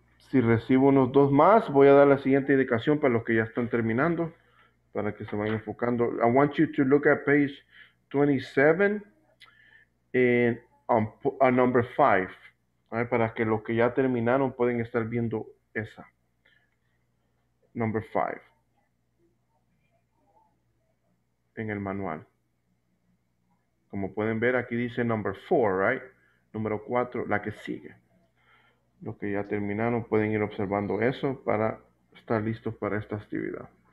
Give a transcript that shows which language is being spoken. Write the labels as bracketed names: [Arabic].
[Spanish] Si recibo unos dos más, voy a dar la siguiente indicación para los que ya están terminando, para que se vayan enfocando. [English] I want you to look at page 27 on number 5. [Spanish] Right, para que los que ya terminaron pueden estar viendo esa. [English] Number 5. [Spanish] En el manual. Como pueden ver, aquí dice number 4, right? Número 4, la que sigue. Los que ya terminaron pueden ir observando eso para estar listos para esta actividad.